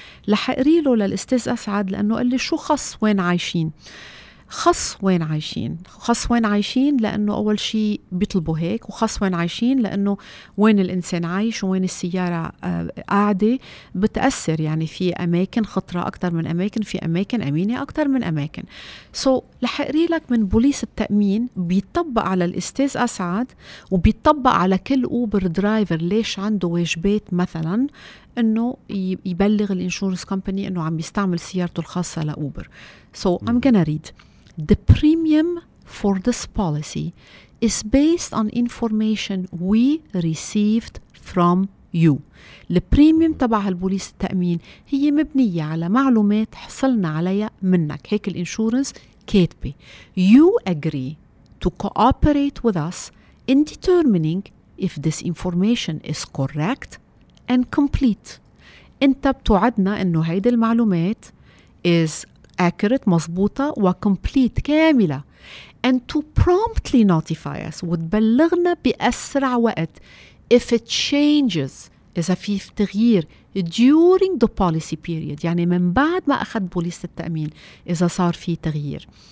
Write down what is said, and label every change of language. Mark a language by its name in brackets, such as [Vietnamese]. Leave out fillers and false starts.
[Arabic] لح اقري له للاستاذ أسعد لأنه قال لي شو خص وين عايشين، خص وين عايشين لأنه أول شيء بيطلبوا هيك، وخص وين عايشين لأنه وين الإنسان عايش وين السيارة قاعدة بتأثر، يعني في أماكن خطرة أكتر من أماكن، في أماكن أمينة أكتر من أماكن. سو لحقري لك من بوليس التأمين بيطبق على الأستاذ أسعد وبيطبق على كل أوبر درايفر. ليش عنده واجبات مثلا أنه يبلغ الإنشورنس كومباني أنه عم يستعمل سيارته الخاصة لأوبر. سو [English] I'm gonna read. The premium for this policy is based on information we received from you. [Arabic] البريميوم تبع هالبوليس التأمين هي مبنية على معلومات حصلنا عليها منك، هيك الانشورنس كاتبة. [English] You agree to cooperate with us in determining if this information is correct and complete. [Arabic] انت بتوعدنا انه هيدي المعلومات [English] is accurate [Arabic] مظبوطة و [English] complete [Arabic] كاملة، [English] and to promptly notify us [Arabic] وتبلغنا بأسرع وقت [English] if it changes [Arabic] إذا في تغيير [English] during the policy period [Arabic] يعني من بعد ما أخذ بوليس التأمين إذا صار في تغيير.